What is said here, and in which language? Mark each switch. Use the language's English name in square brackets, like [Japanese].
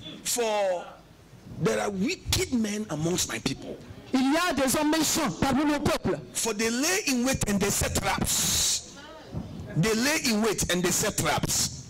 [English] For there are wicked men amongst my people. [French] Il y a des hommes méchants parmi nos peuples. [English] For they lay in wait and they set traps. They lay in wait and they set traps.